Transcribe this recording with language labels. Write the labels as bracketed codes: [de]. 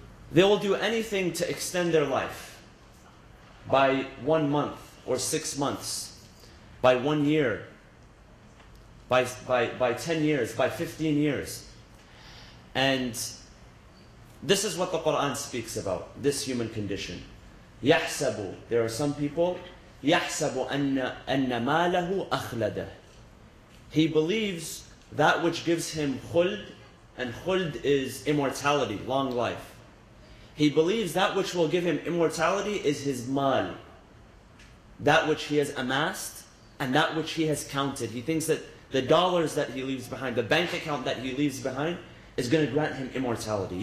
[en] They will do anything to extend their life by 1 month or 6 months, by 1 year, by 10 years, by 15 years. And this is what the Quran speaks about, this human condition. [ar] يَحْسَبُ, [en] there are some people, [ar] يَحْسَبُ أَنَّ مَالَهُ أَخْلَدَ. [en] He believes that which gives him khuld, and khuld is immortality, long life. He believes that which will give him immortality is his mal, that which he has amassed and that which he has counted. He thinks that the dollars that he leaves behind, the bank account that he leaves behind, is going to grant him immortality.